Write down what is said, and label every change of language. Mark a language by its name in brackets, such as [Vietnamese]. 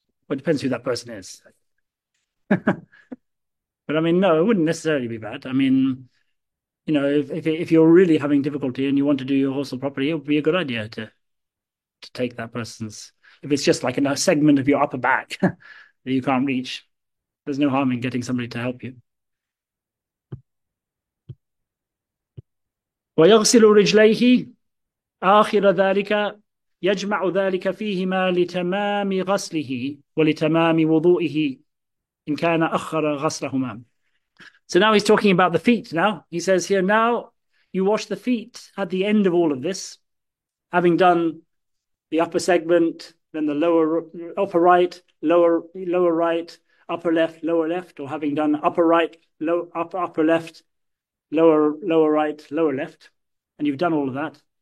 [English] Well, it depends who that person is. But I mean, no, it wouldn't necessarily be bad. I mean, you know, if you're really having difficulty and you want to do your ghusl properly, it would be a good idea to take that person's. If it's just like a segment of your upper back that you can't reach, there's no harm in getting somebody to help you. [Arabic] رجليه آخر ذلك يجمع ذلك فيهما لتمام غسله ولتمام وضوئه إن كان أخر غسلهما. [English] So now he's talking about the feet now. He says here, now you wash the feet at the end of all of this, having done the upper segment, then the lower, upper right, lower right, upper left, lower left, or having done upper right, low, upper, upper left, lower right, lower left, and you've done all of that.